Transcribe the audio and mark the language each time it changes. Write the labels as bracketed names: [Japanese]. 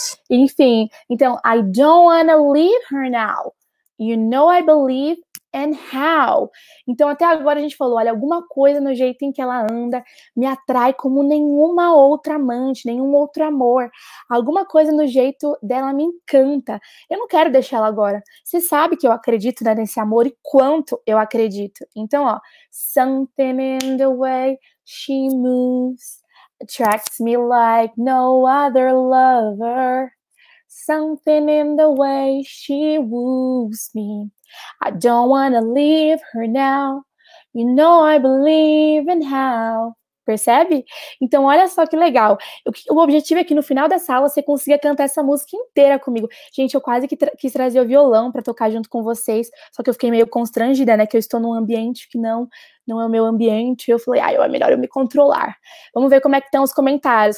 [Portuguese] Enfim, então [English] I don't wanna leave her now. You know I believe and how. [Portuguese] Então, até agora a gente falou, olha, alguma coisa no jeito em que ela anda me atrai como nenhuma outra amante, nenhum outro amor. Alguma coisa no jeito dela me encanta. Eu não quero deixar ela agora. Você sabe que eu acredito, né, nesse amor e quanto eu acredito. Então, ó, [English] something in the way she moves attracts me like no other lover. Something in the way she woos me. I don't wanna leave her now. You know I believe in how. [Portuguese] Percebe? Então, olha só que legal. O objetivo é que no final dessa aula você consiga cantar essa música inteira comigo. Gente, eu quase que quis trazer o violão para tocar junto com vocês, só que eu fiquei meio constrangida, né? Que eu estou num ambiente que não é o meu ambiente. Eu falei, ah, é melhor eu me controlar. Vamos ver como é que estão os comentários.